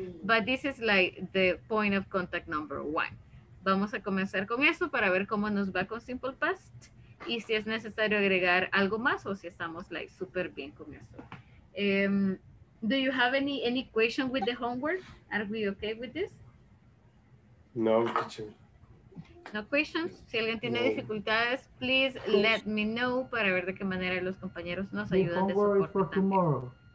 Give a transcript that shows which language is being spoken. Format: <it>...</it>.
<en>But this is like the point of contact number one.</en> <es>Vamos a comenzar con eso para ver cómo nos va con Simple Past. Y si es necesario agregar algo más o si estamos like súper bien con eso.</es> <en>Do you have any question with the homework? Are we okay with this? No, teacher. No questions?</en> <es>Si alguien tiene dificultades,</es> <en>please let me know</en> <es>para ver de qué manera los compañeros nos ayudan.</es> <en>This homework is for tomorrow.</en>